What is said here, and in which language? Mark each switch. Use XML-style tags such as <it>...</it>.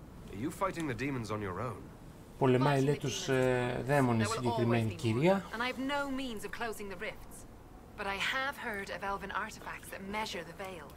<en>Are you fighting the demons on your own?</en> <el>Πολεμάει, λέει, τους δαίμονες συγκεκριμένη κυρία.</el> <en>And I have no means of closing the rifts, but I have heard of elven artifacts that measure the veil.</en>